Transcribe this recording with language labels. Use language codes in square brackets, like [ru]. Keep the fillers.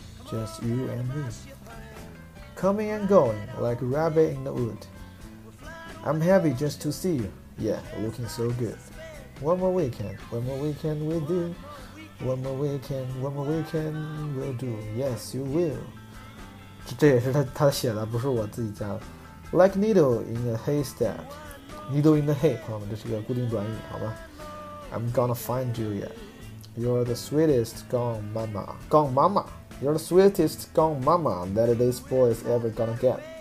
[en] Just you and me coming and going like a rabbit in the wood. I'm happy just to see you. Yeah, looking so good. One more weekend, one more weekend we do. One more weekend, one more weekend we'll do. Yes, you will. [zh] 这这也是他他写的，不是我自己加的。 [en] Like needle in a haystack, needle in the hay， [zh] 朋友们，这是个固定短语，好吧？ [en] I'm gonna find you, yeah. You're the sweetest gone, mama, gone mama. You're the sweetest gone mama that this boy is ever gonna get.